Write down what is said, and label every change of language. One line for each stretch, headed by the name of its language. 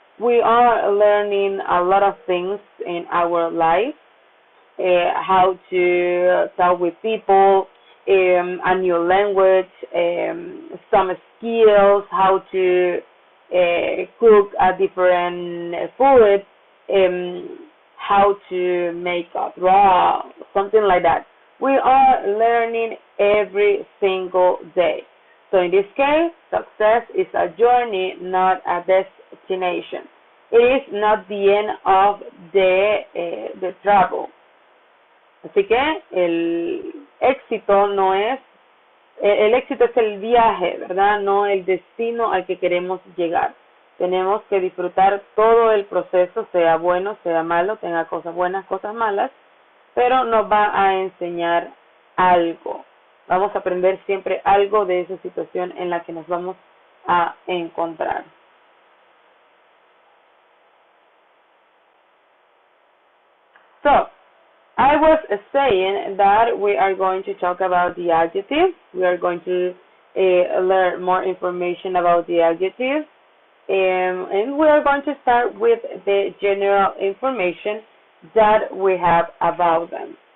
English: We are learning a lot of things in our life, how to talk with people, a new language, some skills, how to cook a different food, how to make a draw, something like that. We are learning every single day. So in this case, success is a journey, not a destination. It is not the end of the travel.
Spanish: Así que el éxito es el viaje, ¿verdad? No el destino al que queremos llegar. Tenemos que disfrutar todo el proceso, sea bueno, sea malo, tenga cosas buenas, cosas malas, pero nos va a enseñar algo. Vamos a aprender siempre algo de esa situación en la que nos vamos a encontrar.
English: So, I was saying that we are going to talk about the adjectives. We are going to learn more information about the adjectives. And we are going to start with the general information that we have about them.